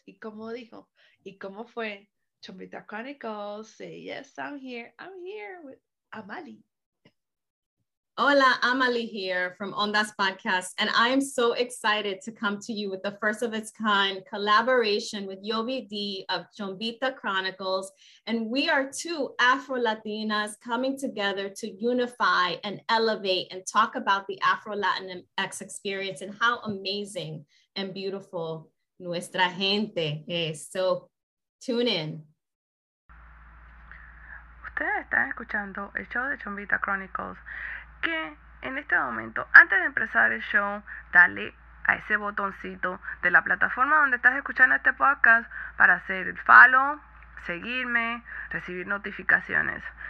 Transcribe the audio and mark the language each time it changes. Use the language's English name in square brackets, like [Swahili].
[Spanish] Y como dijo, y como fue Chumbita Chronicles, [English] say yes, I'm here with Amali. Hola, Amali here from Ondas Podcast, and I am so excited to come to you with the first of its kind collaboration with Yobi D of Chumbita Chronicles. And we are two Afro-Latinas coming together to unify and elevate and talk about the Afro-Latinx experience and how amazing and beautiful [Spanish] nuestra gente [English] is. So tune in. [Spanish] Ustedes están escuchando el show de Chumbita Chronicles. Que en este momento, antes de empezar el show, dale a ese botoncito de la plataforma donde estás escuchando este podcast para hacer el follow, seguirme, recibir notificaciones.